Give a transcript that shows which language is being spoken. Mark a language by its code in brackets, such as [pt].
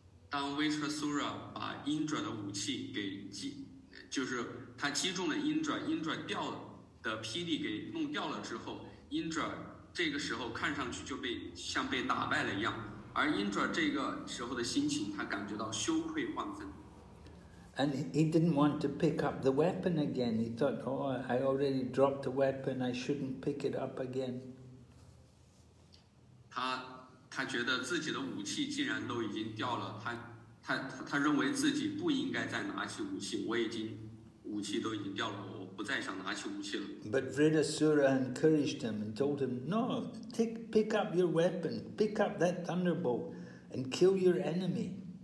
[zh] 当 Vritasura 把 Indra 的武器给击，就是他击中了 Indra, Indra 掉的霹雳给弄掉了之后， Indra这个时候看上去就被像被打败了一样，而 Indra 这个时候的心情，他感觉到羞愧万分。 [en] And he didn't want to pick up the weapon again. He thought, "Oh, I already dropped the weapon. I shouldn't pick it up again." [zh] 他觉得自己的武器既然都已经掉了，他认为自己不应该再拿起武器。我已经武器都已经掉了。 [en] But Vritasura encouraged him and told him, No, pick up your weapon, pick up that thunderbolt, and kill your enemy.